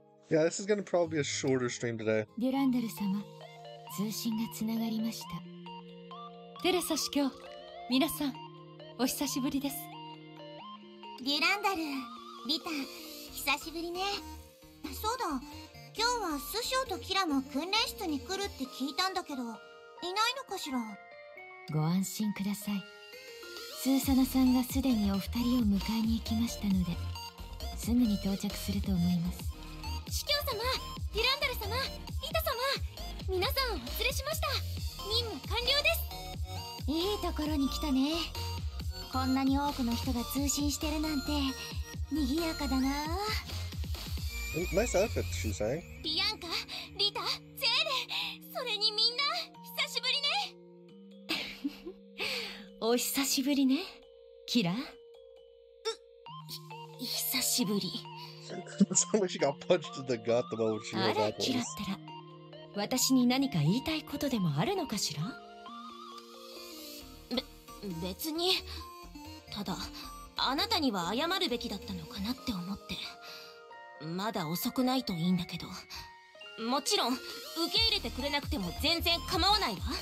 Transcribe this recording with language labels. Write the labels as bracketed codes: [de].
[en] Yeah, this is gonna probably be a shorter stream today. [ja] デュランデル様。通信がつながりました。テレサ司教、皆さんお久しぶりです。デュランダル、リタ、久しぶりね。そうだ、今日は師匠とキラも訓練室に来るって聞いたんだけど、いないのかしら。ご安心ください。スーサナさんがすでにお二人を迎えに行きましたので、すぐに到着すると思います。司教様、デュランダル様、リタ様、皆さんお連れしました。任務完了です。いいところに来たね。こんなに多くの人が通信してるなんて賑やかだな。ナイスアウトフィット、シューサイ。ビアンカ、リタ、ゼーレ、それにみんな久しぶりね。お久しぶりね、キラ。久しぶり。 [en] Somebody got punched in the gut the moment she was at this。 [ja] あら、キラったら、私に何か言いたいことでもあるのかしら。別に、ただあなたには謝るべきだったのかなって思って。まだ遅くないといいんだけど。もちろん受け入れてくれなくても全然構わないわ。